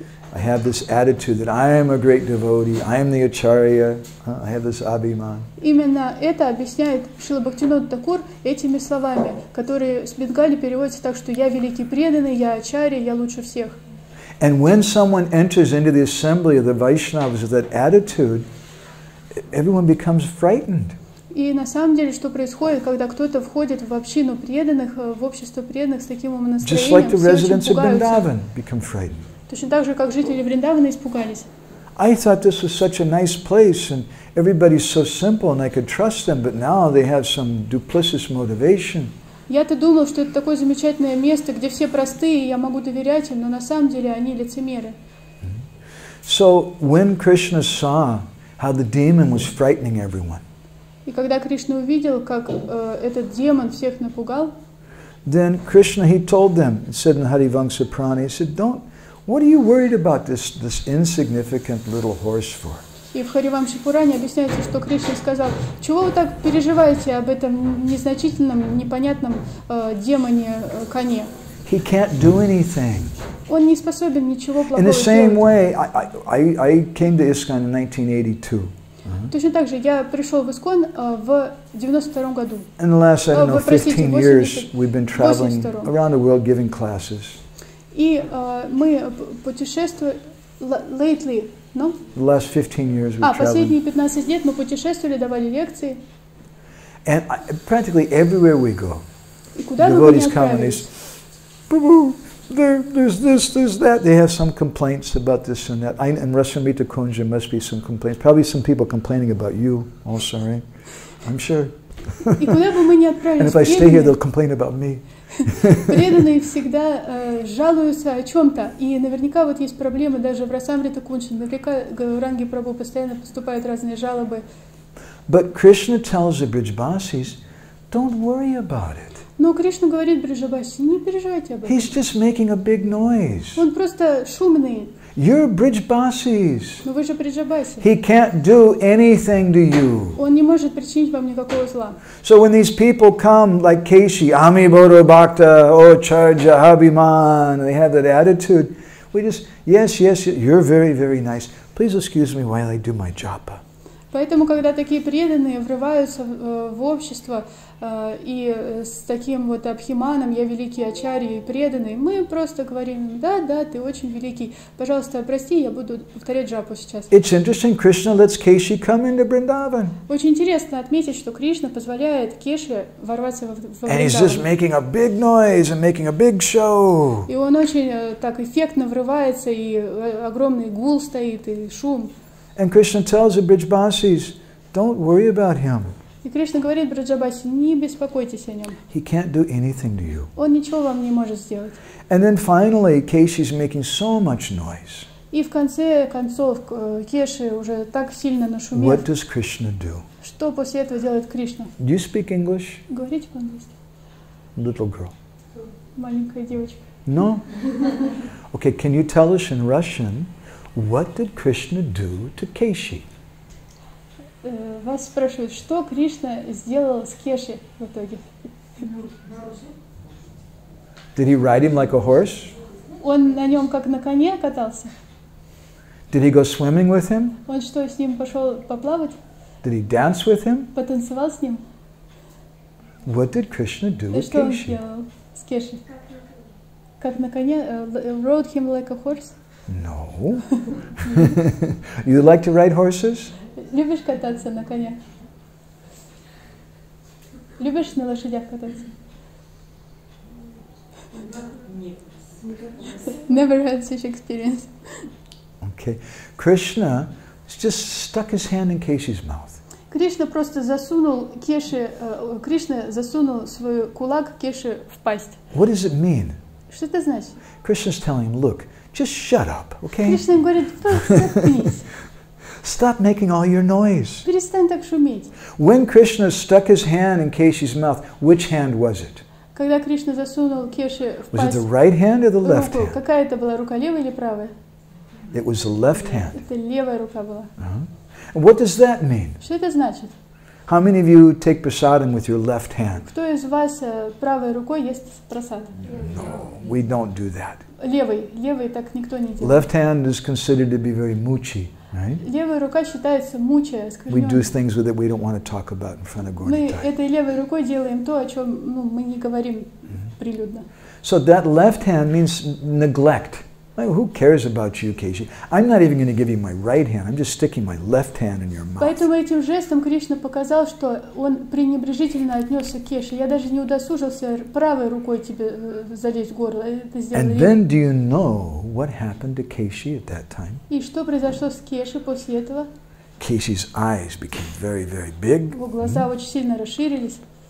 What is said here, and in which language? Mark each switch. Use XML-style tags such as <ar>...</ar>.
<en>I have this attitude that I am a great devotee. I am the Acharya. I have this Abhiman.</en> <ru>Именно это объясняет Шрила Бхактивинода Такур этими словами, которые с бенгали переводятся так, что я великий преданный, я Ачарья, я лучше всех.</ru> <en>And when someone enters into the assembly of the Vaishnavas with that attitude, everyone becomes frightened.</en> <ru>И на самом деле, что происходит, когда кто-то входит в общину преданных, в общество преданных с таким настроением,</ru> <en>Just like the residents of Vrindavan become frightened.</en> <ru>Точно так же, как жители Вриндавана испугались.</ru> <en>I thought this was such a nice place, and everybody's so simple, and I could trust them, but now they have some duplicitous motivation.</en> <ru>Я-то думал, что это такое замечательное место, где все простые, и я могу доверять им, но на самом деле они лицемеры.</ru> <en>So when Krishna saw how the demon was frightening everyone,</en> <ru>и когда Кришна увидел, как этот демон всех напугал,</ru> <en>then Krishna, he told them, said in Harivamsa Prana, he said, don't, What are you worried about this insignificant little horse for?</en> <ru>И в Харивамше Пуране объясняется, что Кришна сказал, чего вы так переживаете об этом незначительном, непонятном демоне коне?</ru> <en>He can't do anything.</en> <ru>Он не способен ничего плохого</ru> <en>In the same way, I came to ISKCON in 1982. Uh-huh.</en> <ru>Точно так же, я пришел в ISKCON в 92-м году.</ru> <en>In the last, I don't know, 15 years, we've been traveling 82-м. Around the world giving classes.</en> <ru>И мы путешествовали</ru> <en>lately, no? The last 15 years we've traveled.</en> <ru>Последние 15 лет мы путешествовали, давали лекции.</ru> <en>And practically everywhere we go, devotees come and they say, there's that. They have some complaints about this and that. In Rasamrita Kunj, there must be some complaints. Probably some people complaining about you also, right? I'm sure.</en> <ru>И куда бы мы ни отправились,</ru> <en>And if I stay here, they'll complain about me.</en> <ru>Преданные всегда жалуются о чем-то, и наверняка вот есть проблемы даже в Расамрита Кунчин, наверняка в ранге Прабху постоянно поступают разные жалобы.</ru> <en>But Krishna tells the Vrijabhasis, don't worry about it.</en> <ru>Но Кришна говорит Бриджабаси, не переживайте об этом.</ru> <en>He's just making a big noise.</en> <ru>Он просто шумный.</ru> <en>You're Vrijabhasis.</en> <ru>Но вы же Бриджабаси.</ru> <en>He can't do anything to you.</en> <ru>Он не может причинить вам никакого зла.</ru> <en>So when these people come, like Keshi, Ami Bodo Bhakta, O Charja Habiman, they have that attitude, we just, yes, you're very, very nice. Please excuse me while I do my japa.</en> <ru>Поэтому, когда такие преданные врываются в общество и с таким вот абхиманом, я великий ачарья и преданный, мы просто говорим, да, ты очень великий, пожалуйста, прости, я буду повторять джапу сейчас.</ru> <en>It's interesting, Krishna lets Keshi come into Vrindavan.</en> <ru>Очень интересно отметить, что Кришна позволяет Кеше ворваться в Вриндаван.</ru> <en>And he's just making a big noise and making a big show.</en> <ru>И он очень так эффектно врывается, и огромный гул стоит, и шум.</ru> <en>And Krishna tells the Vrijabhasis, don't worry about him.</en> <ru>И Кришна говорит Бриджабаси, не беспокойтесь о нем.</ru> <en>He can't do anything to you.</en> <ru>Он ничего вам не может сделать.</ru> <en>And then finally, Keshi's making so much noise.</en> <ru>И в конце концов, Кеши уже так сильно нашумел.</ru> <en>What does Krishna do?</en> <ru>Что после этого делает Кришна?</ru> <en>Do you speak English?</en> <ru>Говорите по-английски.</ru> <en>Little girl.</en> <ru>Маленькая девочка.</ru> <en>No? Okay, can you tell us in Russian, What did Krishna do to Keshi?</en> <ru>Вас спрашивают, что Кришна сделал с Кеши в итоге?</ru> <en>Did he ride him like a horse?</en> <ru>Он на нем как на коне катался?</ru> <en>Did he go swimming with him?</en> <ru>Он что, с ним пошел поплавать?</ru> <en>Did he dance with him?</en> <ru>Потанцевал с ним?</ru> <en>What did Krishna do with Keshi?</en> <ru>С Кеши? Как на коне?</ru> <en>Rode him like a horse? No. You like to ride horses?</en> <ru>Любишь кататься на коне? Любишь на лошадях кататься?</ru> <en>Never had such experience. Okay. Krishna just stuck his hand in Keshi's mouth.</en> <ru>Кришна просто засунул Кеши, Кришна засунул свой кулак Кеши в пасть.</ru> <en>What does it mean?</en> <ru>Что это значит?</ru> <en>Krishna's telling him, look, just shut up, okay?</en> <ru>Кришна ему говорит, просто заткнись.</ru> <en>Stop making all your noise.</en> <ru>Перестань так шуметь.</ru> <en>When Krishna stuck his hand in Keshi's mouth, which hand was it?</en> <ru>Когда Кришна засунул Кеши в пасть,</ru> <en>was it the right hand or the left hand?</en> <ru>Какая это была, рука левая или правая?</ru> <en>It was the left hand.</en> <ru>Это левая рука была.</ru> <en>And what does that mean?</en> <ru>Что это значит?</ru> <en>How many of you take prasadam with your left hand?</en> <ru>Кто из вас правой рукой ест прасад?</ru> <en>No, we don't do that.</en> <ru>Левый так никто не делает.</ru> <en>Left hand is considered to be very muchi, right?</en> <ru>Левая рука считается муча, скажем.</ru> <en>We do things with it we don't want to talk about in front of Gaudiya.</en> <ru>Мы этой левой рукой делаем то, о чем мы не говорим прилюдно.</ru> <en>So that left hand means neglect. Who cares about you, Keshi? I'm not even going to give you my right hand. I'm just sticking my left hand in your mouth.</en> <ru>Поэтому этим жестом Кришна показал, что он пренебрежительно отнесся к Кеши. Я даже не удосужился правой рукой тебе залезть в горло. Это сделал.</ru> <en>And then do you know what happened to Keshi at that time?</en> <ru>И что произошло с Кеши после этого?</ru> <en>Keshi's eyes became very, very big.</en> <ru>Его глаза очень сильно расширились.</ru>